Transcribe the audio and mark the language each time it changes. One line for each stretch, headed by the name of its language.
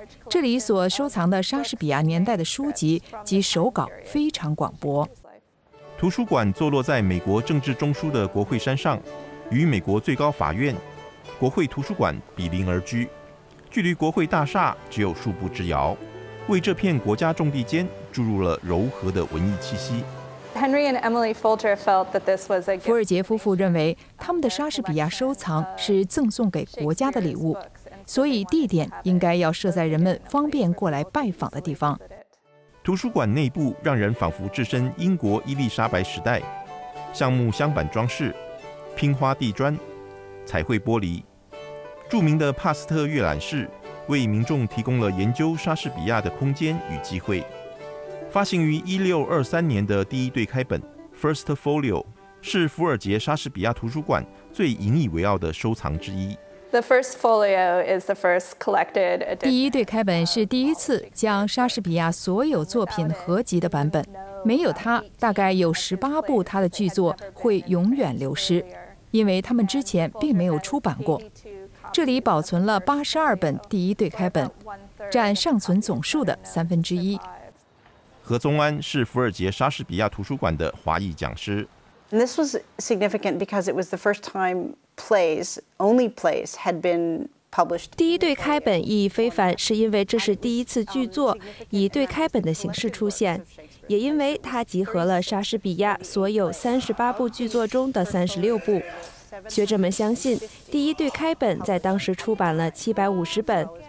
Chinese: 这里所收藏的莎士比亚年代的书籍及手稿非常广博。图书馆坐落在美国政治中枢的国会山上，与美国最高法院、国会图书馆比邻而居，距离国会大厦只有数步之遥，为这片国家重地间注入了柔和的文艺气息。
English: Henry and Emily Folger felt that this was a gift.
Chinese: 福尔杰夫妇认为他们的莎士比亚收藏是赠送给国家的礼物，所以地点应该要设在人们方便过来拜访的地方。图书馆内部让人仿佛置身英国伊丽莎白时代，橡木镶板装饰、拼花地砖、彩绘玻璃。著名的帕斯特阅览室为民众提供了研究莎士比亚的空间与机会。发行于1623年的第一对开本 First Folio 是福尔杰莎士比亚图书馆最引以为傲的收藏之一。
English: The First Folio is the first collected edition.
Chinese: 第一对开本是第一次将莎士比亚所有作品合集的版本，没有它，大概有18部他的剧作会永远流失，因为他们之前并没有出版过。这里保存了82本第一对开本，占尚存总数的1/3。何宗安是福尔杰莎士比亚图书馆的华裔讲师。
English: This was significant because it was the first time plays, only plays, had been published.
Chinese: 第一对开本意义非凡，是因为这是第一次剧作以对开本的形式出现，也因为它集合了莎士比亚所有38部剧作中的36部。学者们相信，第一对开本在当时出版了750本。